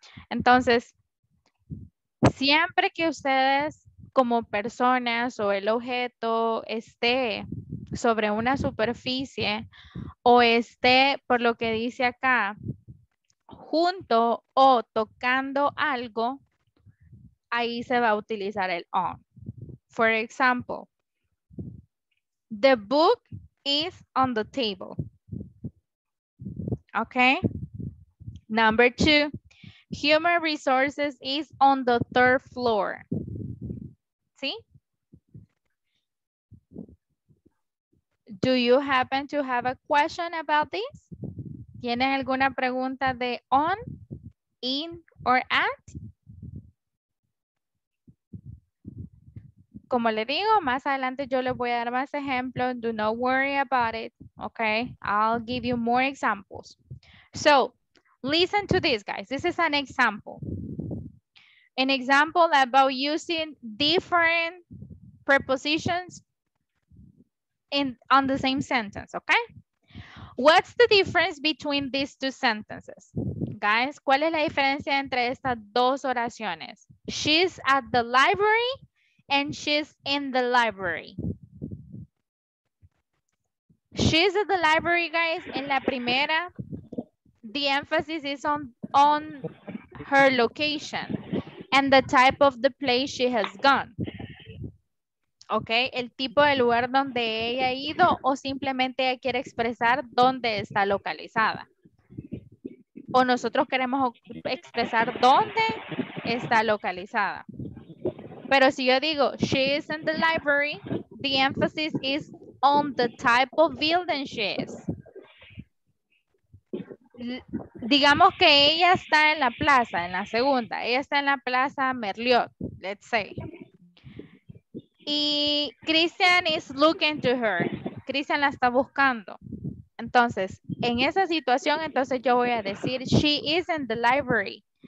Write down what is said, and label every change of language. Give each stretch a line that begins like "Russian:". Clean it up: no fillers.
Spanish: Entonces, siempre que ustedes como personas o el objeto esté sobre una superficie o esté, por lo que dice acá, junto o tocando algo, ahí se va a utilizar el on.
English: For example, the book is on the table. Okay. Number two. Human resources is on the third floor.
Spanish: ¿Sí?
English: Do you happen to have a question about this?
Spanish: ¿Tienes alguna pregunta de on, in, or at? Como le digo, más adelante yo les voy a dar más ejemplos.
English: Do not worry about it, okay? I'll give you more examples. So, listen to this, guys. This is an example. An example about using different prepositions in on the same sentence, okay? What's the difference between these two sentences?
Spanish: Guys, ¿cuál es la diferencia entre estas dos oraciones?
English: She's at the library and she's in the library. She's at the library, guys.
Spanish: En la primera,
English: the emphasis is on her location and the type of the place she has gone.
Spanish: Okay, el tipo de lugar donde ella ha ido o simplemente ella quiere expresar dónde está localizada. O nosotros queremos expresar dónde está localizada. Pero si yo digo,
English: she is in the library, the emphasis is on the type of building she is.
Spanish: Digamos que ella está en la plaza, en la segunda. Ella está en la plaza Merliot,
English: let's say.
Spanish: Y Christian
English: is looking to her.
Spanish: Christian la está buscando. Entonces, en esa situación, entonces yo voy a decir,
English: she is in the library.